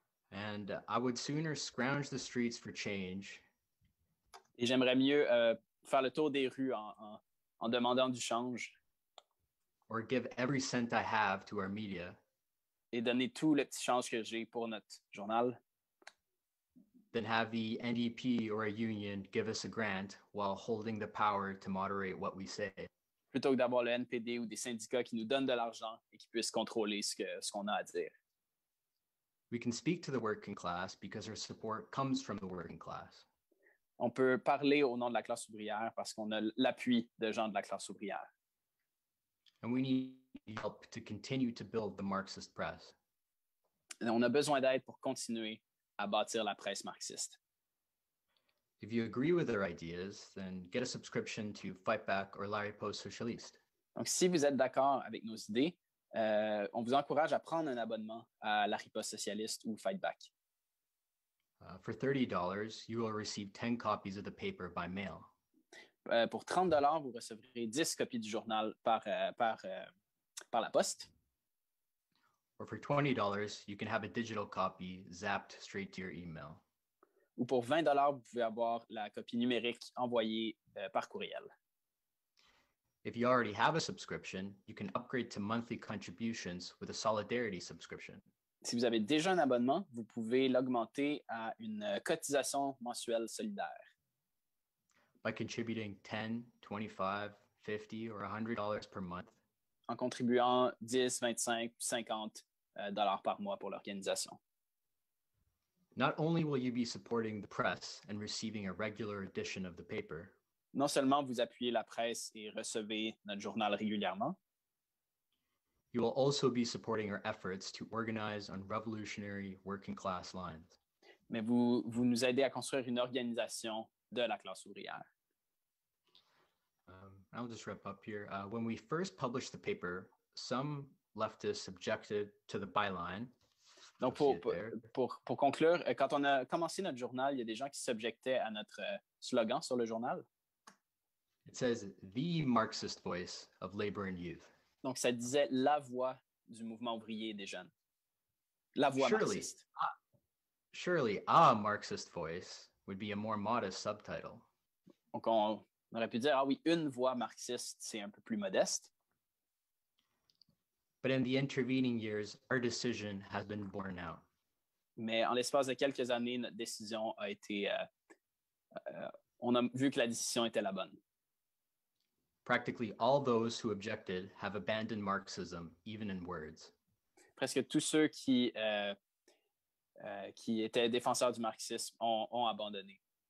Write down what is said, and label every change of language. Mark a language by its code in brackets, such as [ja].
[en] And I would sooner scrounge the streets for change. [fr] Et j'aimerais mieux faire le tour des rues en demandant du change. [en] Or give every cent I have to our media. [fr] Et donner tout le petit change que j'ai pour notre journal. [en] Then have the NDP or a union give us a grant while holding the power to moderate what we say. [fr] Plutôt que d'avoir le NPD ou des syndicats qui nous donnent de l'argent et qui puissent contrôler ce qu'on a à dire. [en] We can speak to the working class because our support comes from the working class. [fr] On peut parler au nom de la classe ouvrière parce qu'on a l'appui de gens de la classe ouvrière. [en] And we need help to continue to build the Marxist press. [fr] Et on a besoin d'aide pour continuer à bâtir la presse marxiste. [en] If you agree with their ideas, then get a subscription to Fight Back or Larry Post Socialiste. [fr] Donc si vous êtes d'accord avec nos idées, on vous encourage à prendre un abonnement à la Riposte Socialiste ou Fight Back. [en] For $30, you will receive 10 copies of the paper by mail. [fr] Pour $30, vous recevrez 10 copies du journal par la poste. [en] Or for $20, you can have a digital copy zapped straight to your email. [fr] Ou pour $20, vous pouvez avoir la copie numérique envoyée par courriel. [en] If you already have a subscription, you can upgrade to monthly contributions with a solidarity subscription. [fr] Si vous avez déjà un abonnement, vous pouvez l'augmenter à une cotisation mensuelle solidaire. [en] By contributing $10, $25, $50, or $100 per month. [fr] En contribuant 10, 25, 50 dollars par mois pour l'organisation. [en] Not only will you be supporting the press and receiving a regular edition of the paper. [fr] Non seulement vous appuyez la presse et recevez notre journal régulièrement. [en] You will also be supporting our efforts to organize on revolutionary working class lines. [fr] Mais vous nous aidez à construire une organisation de la classe ouvrière. [en] I'll just wrap up here. When we first published the paper, some leftists objected to the byline. [fr] Donc pour conclure, quand on a commencé notre journal, il y a des gens qui s'objectaient à notre slogan sur le journal. [en] It says the Marxist voice of labor and youth. [fr] Donc ça disait la voix du mouvement ouvrier des jeunes. La voix marxiste. [en] Surely a Marxist voice would be a more modest subtitle. [fr] Donc on aurait pu dire ah oui, une voix marxiste, c'est un peu plus modeste. [en] But in the intervening years, our decision has been borne out. [fr] Mais en l'espace de quelques années, notre décision a été on a vu que la décision était la bonne. [en] Practically all those who objected have abandoned Marxism, even in words. [fr] Presque tous ceux qui étaient défenseurs du marxisme ont abandonné.